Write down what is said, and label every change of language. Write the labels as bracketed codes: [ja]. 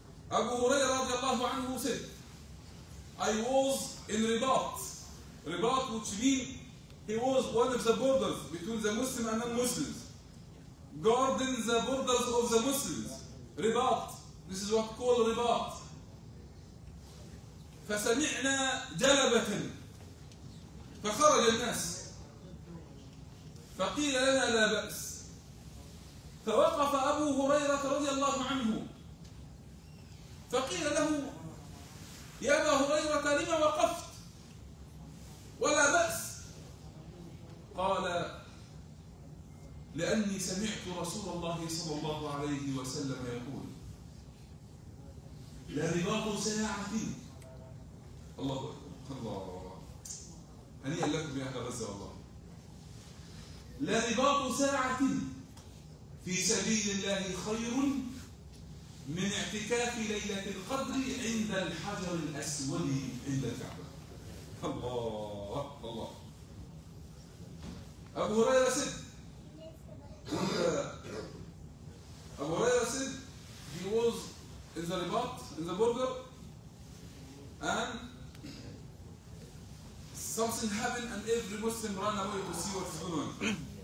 [en] Abu Hurairah [ar] رضي الله عنه [en] said, I was in Ribat. Ribat, which means he was one of the borders between the Muslim and non-Muslims. Guarding the borders of the Muslims. Ribat. This is what called Ribat. [ar] فسمعنا جلبة فخرج الناس فقيل لنا لا بأس. فوقف أبو هريرة رضي الله عنه فقيل له يا أبا هريرة لما وقفت ولا بأس؟ قال لأني سمعت رسول الله صلى الله عليه وسلم يقول لا رباط ساعة فيه. الله أكبر. الله هنيئا لكم يا أهل غزة والله. لا رباط ساعة في سبيل الله خير من اعتكاف ليلة القدر عند الحجر الأسود عند الكعبة. الله الله. أبو هريرة سيد [en] Abu Hurairah said he was in the Ribat, in the border, and something happened and every Muslim ran away to see what's going on.